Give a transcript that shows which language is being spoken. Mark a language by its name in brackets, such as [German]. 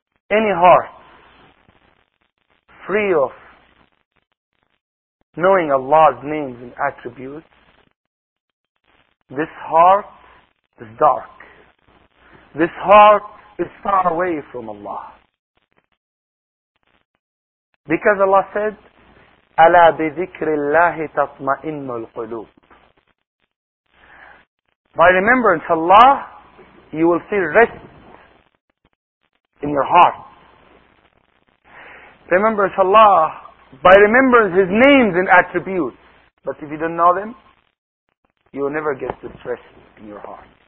[English] Any heart free of knowing Allah's names and attributes, this heart is dark. This heart is far away from Allah. Because Allah said, [Arabic] أَلَا بِذِكْرِ اللَّهِ تَطْمَئِنُّ الْقُلُوبِ. [English] By remembrance of Allah, you will feel rest in your heart. Remembrance Allah by remembrance His names and attributes. But if you don't know them, you will never get this rest in your heart.